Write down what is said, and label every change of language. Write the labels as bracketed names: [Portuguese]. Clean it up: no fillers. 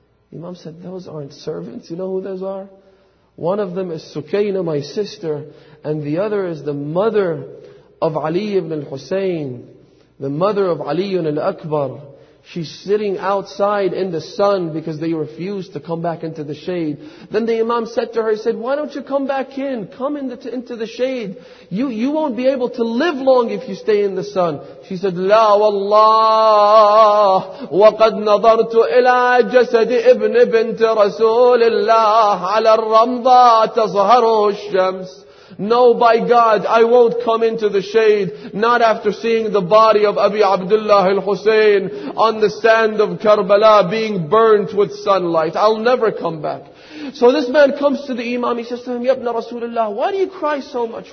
[English] The Imam said, those aren't servants. You know who those are? One of them is Sukayna, my sister, and the other is the mother of Ali ibn al-Husayn, the mother of Ali ibn al-Akbar. She's sitting outside in the sun because they refused to come back into the shade. Then the Imam said to her, he said, why don't you come back in? Come into the shade. You won't be able to live long if you stay in the sun. She said, [Arabic] لا والله وقد نظرت إلى جسد ابن بنت رسول الله على الرمضة تظهره الشمس. [English] No, by God, I won't come into the shade, not after seeing the body of Abi Abdullah al-Husayn on the sand of Karbala being burnt with sunlight. I'll never come back. So this man comes to the Imam, he says to him, Ya Ibn Rasulullah, why do you cry so much?